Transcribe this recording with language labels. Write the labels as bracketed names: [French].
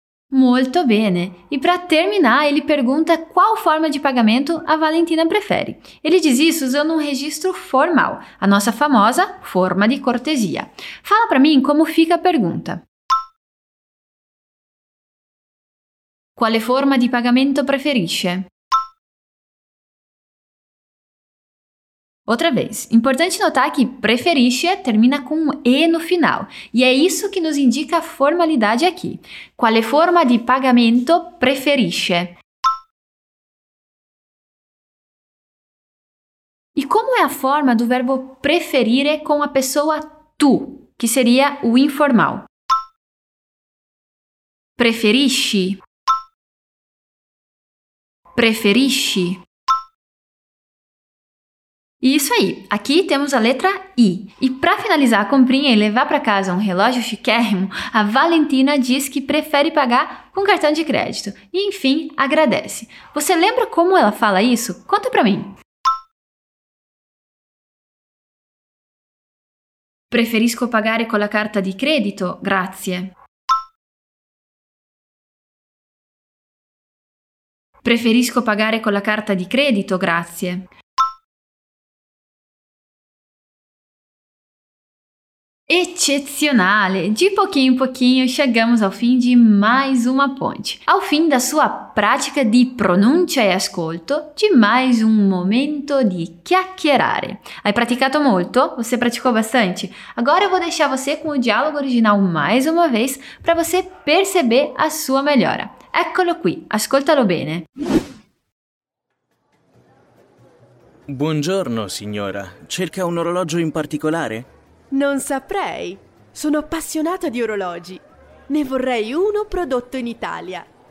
[Italian] Molto bene. [Portuguese] E para terminar, ele pergunta qual forma de pagamento a Valentina prefere. Ele diz isso usando um registro formal, a nossa famosa forma de cortesia. Fala para mim como fica a pergunta. [Italian] Quale forma di pagamento preferisce? [Portuguese] Outra vez, importante notar que preferisce termina com um E no final, e é isso que nos indica a formalidade aqui. [Italian] Quale forma di pagamento preferisce? [Portuguese] E como é a forma do verbo preferire com a pessoa tu, que seria o informal? [Italian] Preferisci. Preferisci. [Portuguese] E isso aí, aqui temos a letra I. E para finalizar a comprinha e levar para casa um relógio chiquérrimo, a Valentina diz que prefere pagar com cartão de crédito. E enfim, agradece. Você lembra como ela fala isso? Conta para mim. [Italian] Preferisco pagare con la carta di credito, grazie. Preferisco pagare con la carta di credito, grazie. Eccezionale! [Portuguese] De pouquinho em pouquinho chegamos ao fim de mais uma ponte. Ao fim da sua prática de pronúncia e ascolto, de mais um momento de chiacchierare. [Italian] Hai praticato molto? [Portuguese] Você praticou bastante? Agora eu vou deixar você com o diálogo original mais uma vez para você perceber a sua melhora. [Italian] Eccolo qui, ascoltalo bene. Buongiorno, signora. Cerca un orologio in particolare? Non saprei. Sono appassionata di orologi. Ne vorrei uno prodotto in Italia.